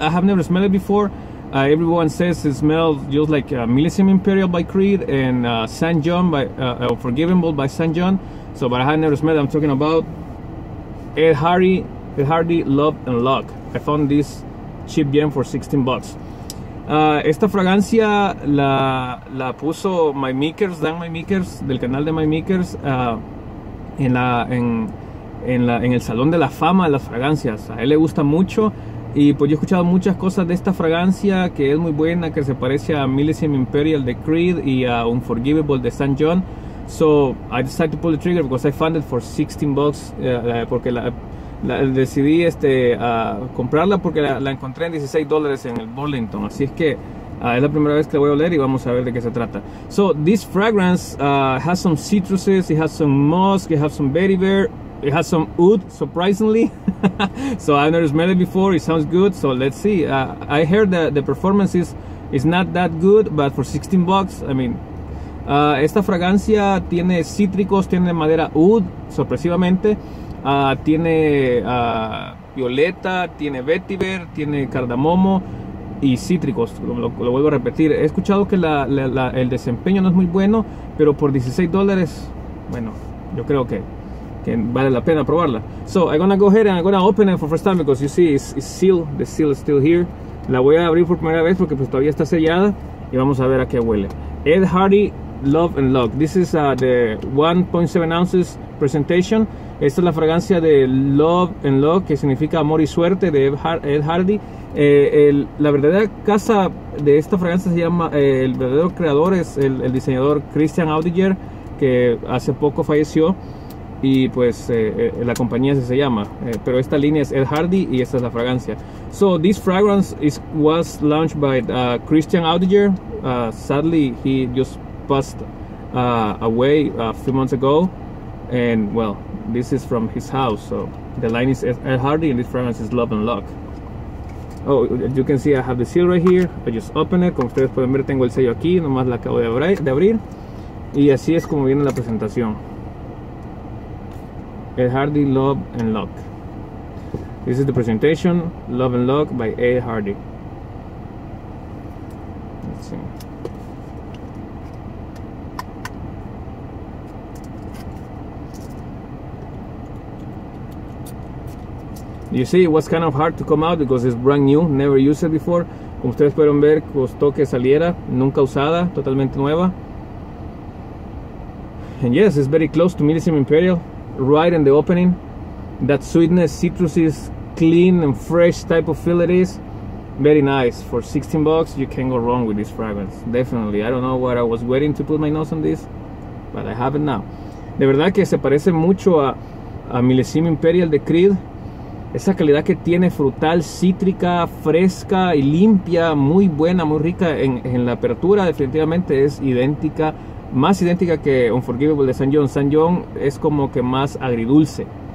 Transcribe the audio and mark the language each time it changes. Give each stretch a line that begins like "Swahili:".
English: I have never smelled it before. Everyone says it smells just like Millesime Imperial by Creed and Saint John by Unforgivable by Saint John. So, but I have never smelled it. I'm talking about Ed Hardy Love and Luck. I found this cheap gem for 16 bucks.
Spanish: Esta fragancia la puso My Meekers, Dan My Meekers, del canal de My Meekers, en el salón de la fama de las fragancias. A él le gusta mucho, y pues yo he escuchado muchas cosas de esta fragancia, que es muy buena, que se parece a Millesime Imperial de Creed y a Unforgivable de St.
English: John. So I decided to pull the trigger because I found it for 16 bucks,
Spanish: porque decidí comprarla porque la encontré en 16 dólares en el Burlington. Así es que es la primera vez que la voy a oler y vamos a ver de qué se trata.
English: So this fragrance has some citruses, it has some musk, it has some vetiver. It has some oud, surprisingly. So I never smelled it before. It sounds good, so let's see. I heard that the performance is not that good, but for 16 bucks, I mean.
Spanish: Esta fragancia tiene cítricos, tiene madera oud, sorpresivamente. Tiene violeta, tiene vetiver, tiene cardamomo y cítricos. Lo vuelvo a repetir. He escuchado que el desempeño no es muy bueno, pero por 16 dólares, bueno, yo creo que vale la pena probarla.
English: So I'm gonna go ahead and I'm gonna open it for first time because you see it's sealed. The seal is still here.
Spanish: La voy a abrir por primera vez porque pues todavía está sellada, y vamos a ver a qué huele.
English: Ed Hardy Love and Luck. This is the 1.7 ounces presentation.
Spanish: Esta es la fragancia de Love and Luck, que significa amor y suerte, de Ed Hardy. La verdadera casa de esta fragancia se llama, el verdadero creador es el diseñador Christian Audiger, que hace poco falleció. Y pues la compañía se llama, pero esta línea es Ed Hardy y esta es la fragancia.
English: So this fragrance was launched by Christian Audiger. Sadly, he just passed away a few months ago, and well, this is from his house. So the line is Ed Hardy and this fragrance is Love and Luck. Oh, you can see I have the seal right here. I just open it.
Spanish: Como ustedes pueden ver, tengo el sello aquí, nomás la acabo de abrir, y así es como viene la presentación.
English: Ed Hardy Love and Luck. This is the presentation, Love and Luck by Ed Hardy. Let's see. You see, it was kind of hard to come out because it's brand new, never used it before.
Spanish: Como ustedes pueden ver, costó que saliera, nunca usada, totalmente nueva.
English: And yes, it's very close to Millesime Imperial. Right in the opening, that sweetness, citrusy, clean and fresh type of feel it is. Very nice. For 16 bucks, you can't go wrong with this fragrance. Definitely. I don't know what I was waiting to put my nose on this, but I have it now.
Spanish: De verdad que se parece mucho a Millesime Imperial de Creed. Esa calidad que tiene, frutal, cítrica, fresca y limpia, muy buena, muy rica en la apertura, definitivamente es idéntica. Más idéntica que Unforgivable de St. John. St. John es como que más agridulce.